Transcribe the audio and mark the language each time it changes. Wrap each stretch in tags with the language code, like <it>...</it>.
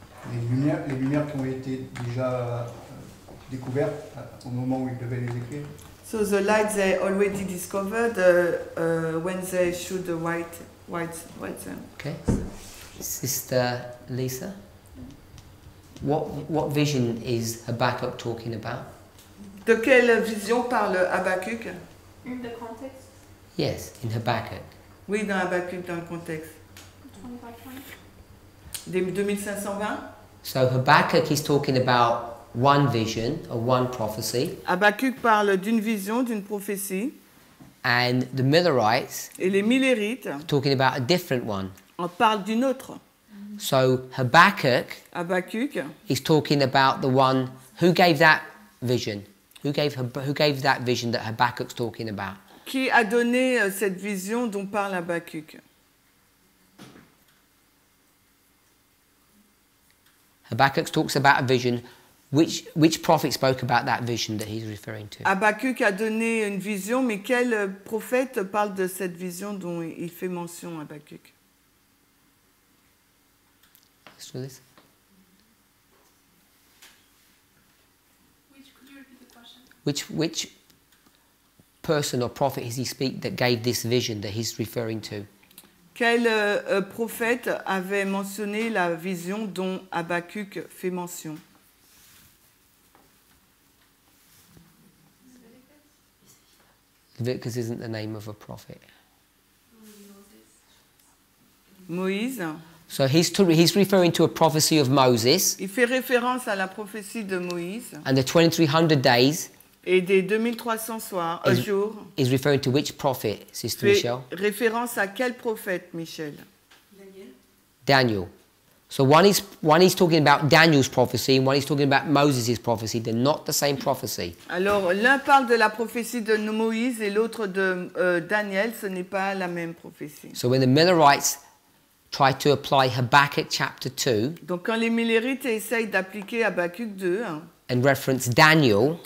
<fr>Les lumières qui ont été déjà découvertes au moment où ils devaient les écrire?</fr> <en>So the lights they already discovered when they should write them. Okay. Sister Lisa? What vision is Habakkuk talking about?</en> <fr>De quelle vision parle Habakkuk?</fr> <en>In the context? Yes, in Habakkuk.</en> <fr>Oui, dans Habakkuk, dans le contexte.</fr> <en>2520. So Habakkuk is talking about one vision or one prophecy.</en> <fr>Habakkuk parle d'une vision, d'une prophétie.</fr> <en>And the Millerites.</en> <fr>Et les Millerites.</fr> <en>Talking about a different one.</en> <fr>On parle d'une autre.</fr> <en>So Habakkuk.</en> <fr>Habakkuk.</fr> <en>Is talking about the one who gave that vision. Who gave that vision that Habakkuk's talking about?</en> <fr>Qui a donné cette vision dont parle Habakkuk?</fr> <en>Habakkuk talks about a vision. Which prophet spoke about that vision that he's referring to?</en> <fr>Habakkuk a donné une vision, mais quel prophète parle de cette vision dont il fait mention Habakkuk?</fr> <en>Which person or prophet is he speak that gave this vision that he's referring to?</en> <fr>Quel prophète avait mentionné la vision dont Habakkuk fait mention?</fr> <en>Leviticus isn't the name of a prophet.</en> <fr>Moïse.</fr> <en>So he's referring to a prophecy of Moses.</en> <fr>Il fait référence à la prophétie de Moïse.</fr> <en>And the 2300 days.</en> <fr>Et des 2300 soirs, un jour.</fr> <en>Is referring to which prophet, Sister</en> <fr>fait</fr> <en>Michelle?</en> <fr>Référence à quel prophète, Michel?</fr> <en>Daniel. So one is talking about Daniel's prophecy and one is talking about Moses' prophecy. They're not the same prophecy.</en> <fr>Alors l'un parle de la prophétie de Moïse et l'autre de Daniel. Ce n'est pas la même prophétie.</fr> <en>So when the Millerites try to apply Habakkuk chapter 2.</en> <fr>Donc quand les Millerites essayent d'appliquer Habakkuk 2. Hein,</fr> <en>and reference Daniel.</en>